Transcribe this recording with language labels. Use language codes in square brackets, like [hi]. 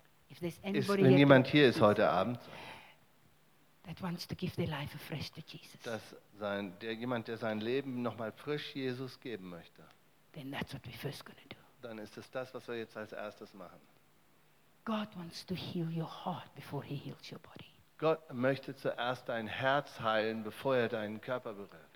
[en] if there's anybody here, [de] jemand hier ist heute Abend, [en] that wants to give their life afresh to Jesus, [de] dass sein, der jemand, der sein Leben nochmal frisch Jesus geben möchte, [en] then that's what we're first gonna do. [de] Dann ist es das, was wir jetzt als erstes machen. [en] God wants to heal your heart before he heals your body. [de] Gott möchte zuerst dein Herz heilen, bevor er deinen Körper berührt.